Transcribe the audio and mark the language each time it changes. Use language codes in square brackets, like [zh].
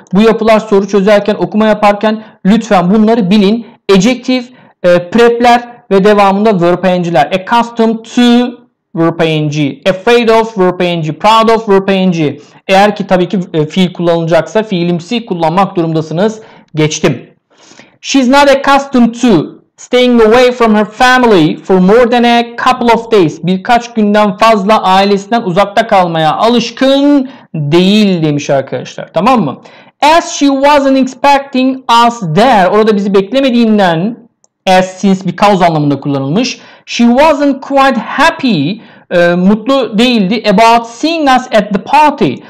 [tr] Bu yapılar soru çözerken, okuma yaparken lütfen bunları bilin. Adjective, prepler ve devamında verb ing'ler. [en] Accustomed to verb ing, afraid of verb ing, proud of verb ing. [tr] Eğer ki tabii ki fiil kullanılacaksa fiilimsi kullanmak durumdasınız. Geçtim. [en] She's not accustomed to staying away from her family for more than a couple of days. [tr] Birkaç günden fazla ailesinden uzakta kalmaya alışkın değil demiş arkadaşlar. [en] Tamam mı? As she wasn't expecting us there. [tr] Orada bizi beklemediğinden, as, since, because anlamında kullanılmış. [en] She wasn't quite happy. [tr] Mutlu değildi [en] about seeing us at the party.